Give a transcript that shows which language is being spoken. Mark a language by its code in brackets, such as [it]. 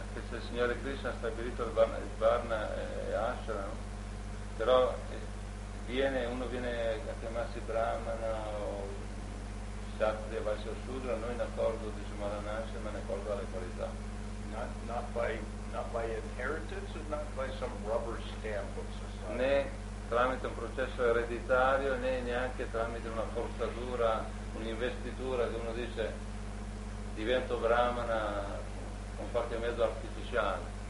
[it] Se il Signore Krishna ha stabilito il Varna e Ashram, però uno viene a chiamarsi Brahmana o Kshatriya, Vaishya, Sudra, non in accordo diciamo alla nascita ma in accordo alle qualità. [en] Not by inheritance or not by some rubber stamp of society. [it] Né tramite un processo ereditario né neanche tramite una forzatura, un'investitura che uno dice divento Brahmana con qualche mezzo artificiale.